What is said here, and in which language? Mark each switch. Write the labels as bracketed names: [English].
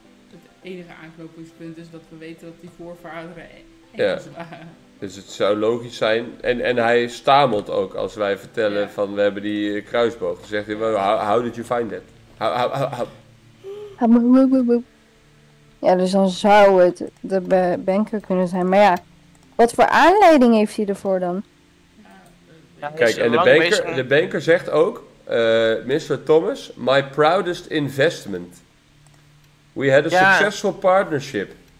[Dutch] Het enige aanknopingspunt is dat we weten dat die voorvaderen Engels waren. Dus het zou logisch zijn. En hij stamelt ook als wij vertellen van we hebben die kruisboog. Dan zegt hij, [English] how did you find that? [Dutch] Ja, dus dan zou het de banker kunnen zijn. Maar ja, wat voor aanleiding heeft hij ervoor dan? Kijk, en de banker zegt ook, [English] Mr. Thomas, my proudest investment. We had a successful partnership.